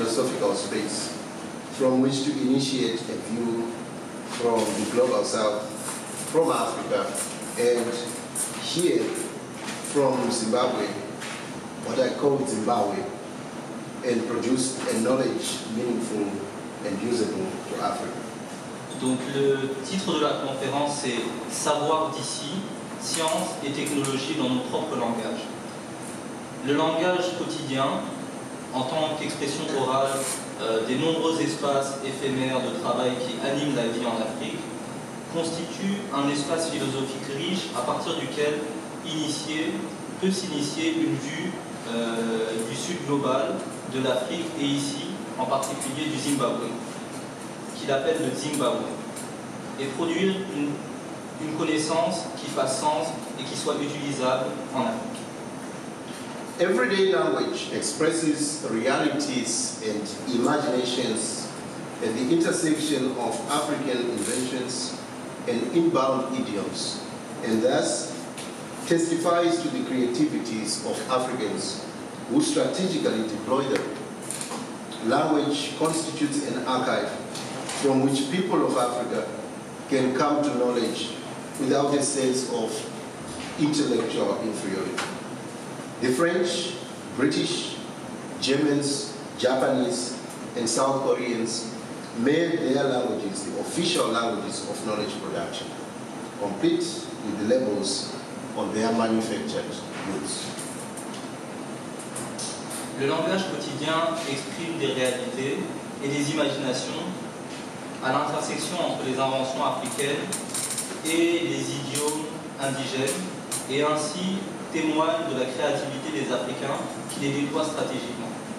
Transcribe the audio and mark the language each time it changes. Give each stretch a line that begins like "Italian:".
English: Philosophical space, from which to initiate a view from the global south, from Africa, and here from Zimbabwe, what I call Zimbabwe, and produce a knowledge meaningful and usable to Africa.
French: Donc le titre de la conférence est Savoir d'ici, science et technologie dans nos propres langages. Le langage quotidien, en tant qu'expression orale, des nombreux espaces éphémères de travail qui animent la vie en Afrique, constitue un espace philosophique riche à partir duquel peut s'initier une vue du sud global de l'Afrique et ici, en particulier du Zimbabwe, qu'il appelle le Zimbabwe, et produire une connaissance qui fasse sens et qui soit utilisable en Afrique.
English: Everyday language expresses realities and imaginations at the intersection of African inventions and inbound idioms, and thus testifies to the creativities of Africans who strategically deploy them. Language constitutes an archive from which people of Africa can come to knowledge without a sense of intellectual inferiority. The French, British, Germans, Japanese, and South Koreans made their languages the official languages of knowledge production, complete with the labels on their manufactured goods.
French: Le langage quotidien exprime des réalités et des imaginations à l'intersection entre les inventions africaines et les idiomes indigènes, et ainsi témoigne de la créativité des Africains qui les déploient stratégiquement.